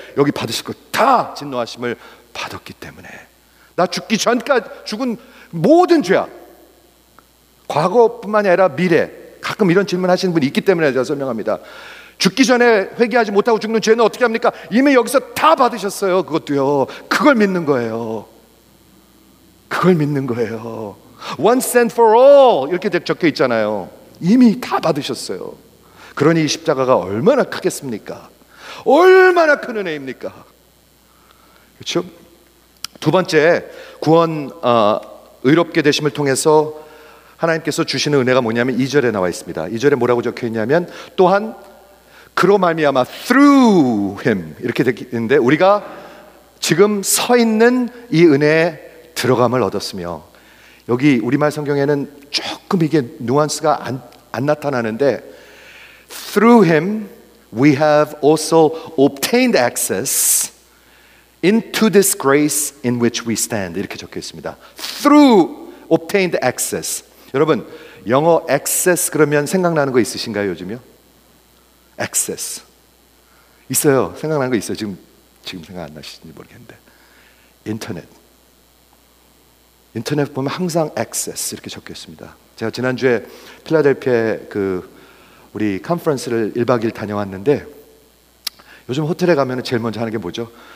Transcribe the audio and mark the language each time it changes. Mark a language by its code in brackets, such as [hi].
[ko] 여기 받으실 것 다 진노하심을 받았기 때문에. 나 죽기 전까지 죽은 모든 죄악, 과거뿐만 아니라 미래, 가끔 이런 질문 하시는 분이 있기 때문에 제가 설명합니다. 죽기 전에 회개하지 못하고 죽는 죄는 어떻게 합니까? 이미 여기서 다 받으셨어요. 그것도요. 그걸 믿는 거예요. 그걸 믿는 거예요. [en] Once and for all [ko] 이렇게 적혀 있잖아요. 이미 다 받으셨어요. 그러니 이 십자가가 얼마나 크겠습니까? 얼마나 큰 은혜입니까? 그렇죠? 두 번째, 구원, 의롭게 되심을 통해서 하나님께서 주시는 은혜가 뭐냐면 2절에 나와 있습니다. 2절에 뭐라고 적혀 있냐면 또한 그로 말미암아 [en] through him [ko] 이렇게 되어 있는데 우리가 지금 서 있는 이 은혜에 들어감을 얻었으며, 여기 우리말 성경에는 조금 이게 뉘앙스가 안 나타나는데 [en] through him we have also obtained access into this grace in which we stand [ko] 이렇게 적혀 있습니다. [en] through obtained access. [ko] 여러분 영어 access 그러면 생각나는 거 있으신가요, 요즘요? access 있어요. 생각나는 거 있어요. 지금 생각 안 나시는지 모르겠는데 인터넷. 인터넷 보면 항상 access 이렇게 적혀 있습니다. 제가 지난주에 필라델피아 그 우리 컨퍼런스를 1박 2일 다녀왔는데 요즘 호텔에 가면 제일 먼저 하는 게 뭐죠?